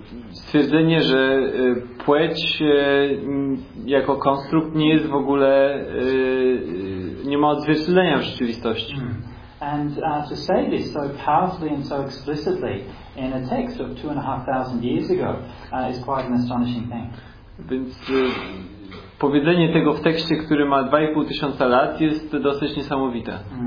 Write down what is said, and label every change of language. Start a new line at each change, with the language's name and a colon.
Polish: Stwierdzenie, że płeć jako konstrukt nie jest w ogóle nie ma odzwierciedlenia w rzeczywistości.
English: And to say this so powerfully and so explicitly in a text of 2,500 years ago is quite an astonishing thing.
Polish: Więc powiedzenie tego w tekście, który ma 2,500 lat, jest dosyć niesamowite.